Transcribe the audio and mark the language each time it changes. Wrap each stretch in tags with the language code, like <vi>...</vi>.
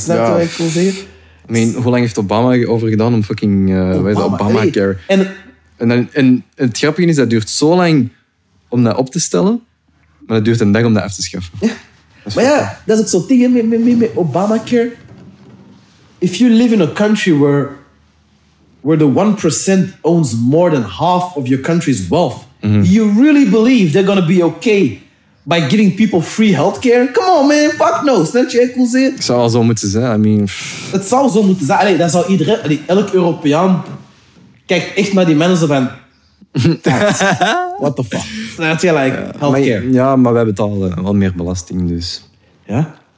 <nl>Snap je wat ik wil zeggen? Hoe lang heeft Obama over gedaan om fucking Obamacare? En het grappige is, dat duurt zo lang om dat op te stellen, maar dat duurt een dag om dat af te schaffen. Ja. Maar ja, dat is ook zo'n ding met Obamacare.</nl> <en>If you live in a country where the 1% owns more than half of your country's wealth, you really believe they're going to be okay by giving people free healthcare? Come on, man. Fuck no.</en> <nl>Snap je ik wil zeggen? Het zou wel zo moeten zijn.</nl> <en>I mean,</en> <nl>het zou zo moeten zijn. Allee, dat zou iedereen... Allee, elk Europeaan kijkt echt naar die mensen van...</nl> <en>What the fuck?</en> <nl>Snap je,</nl> <en>like, healthcare?</en> <nl>Maar we hebben het al wat meer belasting, dus... Ja?</nl>